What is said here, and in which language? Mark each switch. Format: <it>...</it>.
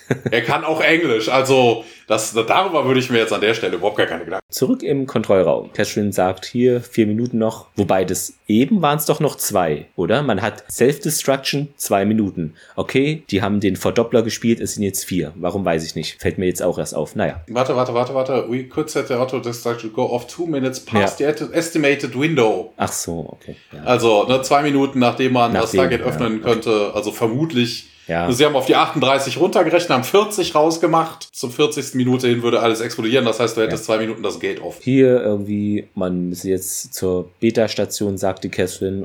<de>Er kann auch Englisch, also Darüber würde ich mir jetzt an der Stelle überhaupt gar keine Gedanken. Zurück im Kontrollraum. Cashlin sagt hier 4 Minuten noch. Wobei, das eben waren es doch noch 2, oder? Man hat Self-Destruction 2 Minuten. Okay, die haben den Verdoppler gespielt, es sind jetzt 4. Warum weiß ich nicht. Fällt mir jetzt auch erst auf. Naja. Warte.</de> <en>We could set the auto-destruction go off 2 minutes past ja. the estimated window.</en> <de>Ach so, okay. Ja. Also, ne, 2 Minuten, nachdem man das Target öffnen könnte. Okay. Also vermutlich... Ja. Sie haben auf die 38 runtergerechnet, haben 40 rausgemacht. Zum 40. Minute hin würde alles explodieren. Das heißt, du hättest 2 Minuten das Gate off. Hier irgendwie, man ist jetzt zur Beta-Station, sagt die Catherine.</de>